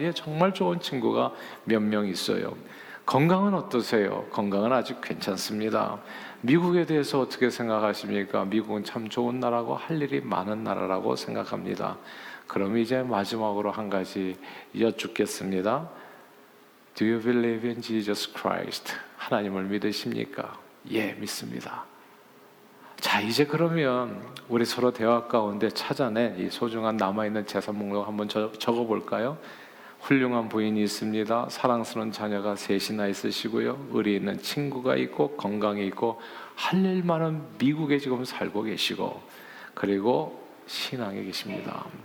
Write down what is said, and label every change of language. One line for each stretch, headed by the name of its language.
Korean: 예, 정말 좋은 친구가 몇 명 있어요. 건강은 어떠세요? 건강은 아직 괜찮습니다. 미국에 대해서 어떻게 생각하십니까? 미국은 참 좋은 나라고 할 일이 많은 나라라고 생각합니다. 그럼 이제 마지막으로 한 가지 여쭙겠습니다.
English: Do you believe in Jesus Christ?
Korean: 하나님을 믿으십니까? 예, 믿습니다. 자, 이제 그러면 우리 서로 대화 가운데 찾아낸 이 소중한 남아있는 재산 목록 한번 적어볼까요? 훌륭한 부인이 있습니다. 사랑스러운 자녀가 셋이나 있으시고요. 의리 있는 친구가 있고 건강이 있고 할 일 많은 미국에 지금 살고 계시고 그리고 신앙에 계십니다.